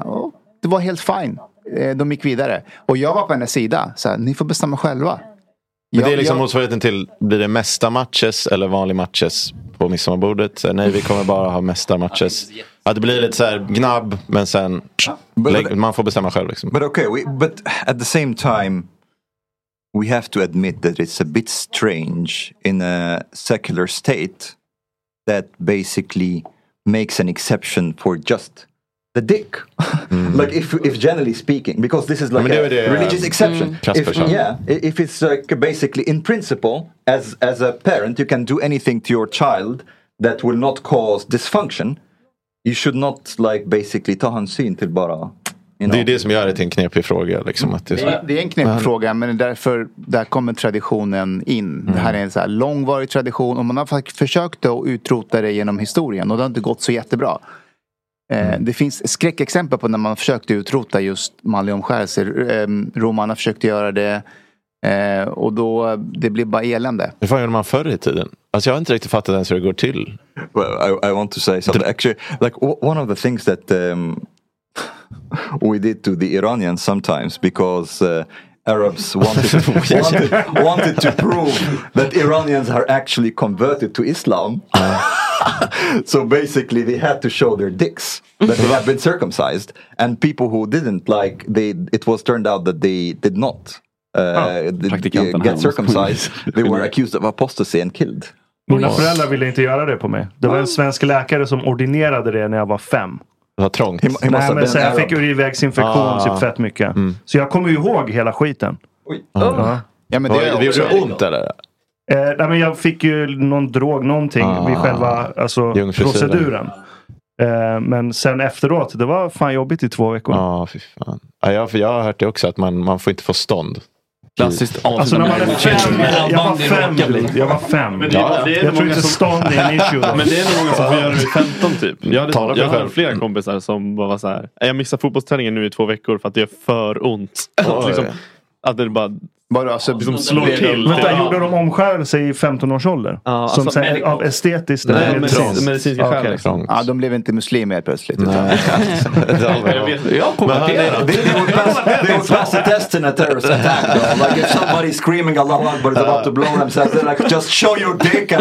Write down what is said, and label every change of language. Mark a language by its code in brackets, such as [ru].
[sv] Och det var helt fine. De gick vidare. Och jag var på hennes sida, så här, ni får bestämma själva. Men jag, det är liksom motsvarigheten till, blir det mesta matches eller vanlig matches på midsommarbordet? Nej, vi kommer bara ha mesta matches. Att det blir lite så här gnabb, men sen man får bestämma själv liksom. [en] But okay, but at the same time we have to admit that it's a bit strange in a secular state that basically makes an exception for just the dick. Like if generally speaking, because this is like religious exception. If it's like basically in principle, as a parent, you can do anything to your child that will not cause dysfunction. you should not like basically [sv] ta hänsyn till bara, [en] you [sv] know. Det är det som gör det till en knepig fråga liksom, att det är en knepig fråga, men därför där kommer traditionen in. Mm. Det här är en så här långvarig tradition och man har försökt att utrota det genom historien och det har inte gått så jättebra. Mm. Det finns skräckexempel på när man försökte utrota just manlig omskärelse. Romarna försökte göra det och då det blev bara elände. Hur fan gjorde man förr i tiden? Alltså jag har inte riktigt fattat ens hur det går till. [en] Well, I want to say something. Actually, like one of the things that we did to the Iranians sometimes because Arabs wanted to prove that Iranians are actually converted to Islam. So basically they had to show their dicks that they had been circumcised, and people who didn't, like, it was turned out that they did not get circumcised. They were accused of apostasy and killed. [sv] Mina föräldrar ville inte göra det på mig. Det var en svensk läkare som ordinerade det när jag var 5. Det var trångt. Nej, men sen jag fick urinvägsinfektion typ fett mycket. Mm. Så jag kommer ihåg hela skiten. Ja, men det gjorde ont eller? Nej, men jag fick ju någon drog, någonting vid själva alltså, proceduren. Men sen efteråt, det var fan jobbigt i 2 veckor. Ja, fy fan. Ja, för jag har hört det också, att man får inte få stånd. Klassiskt alltså, när man är 5. Jag tror inte stånd är en issue. Men det är nog många som får göra det i 15 typ. Jag har flera kompisar som bara så här: jag missar fotbollsträningen nu i 2 veckor för att det är för ont. Och liksom, att det bara alltså, liksom slår det till. Vänta, gjorde de omskärelse i 15 års ålder? Som alltså, säger, av estetiskt eller medicinska skäl. Okay. Liksom. Ja, de blev inte muslimer plötsligt. Jag kommenterar. [en] They would pass a test in a terrorist attack. Like if somebody screaming Allah Akbar is about to blow themselves, they're like, just show your dick.